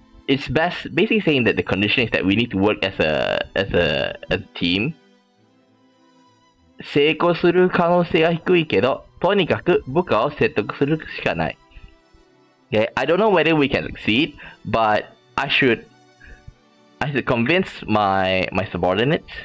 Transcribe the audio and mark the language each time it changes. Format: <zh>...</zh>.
<en>It's best, basically saying that the condition is that we need to work as a team.</en> <ja>成功する可能性は低いけど、とにかく部下を説得するしかない。</ja> <en>Okay, I don't know whether we can succeed, but I should convince my subordinates.</en>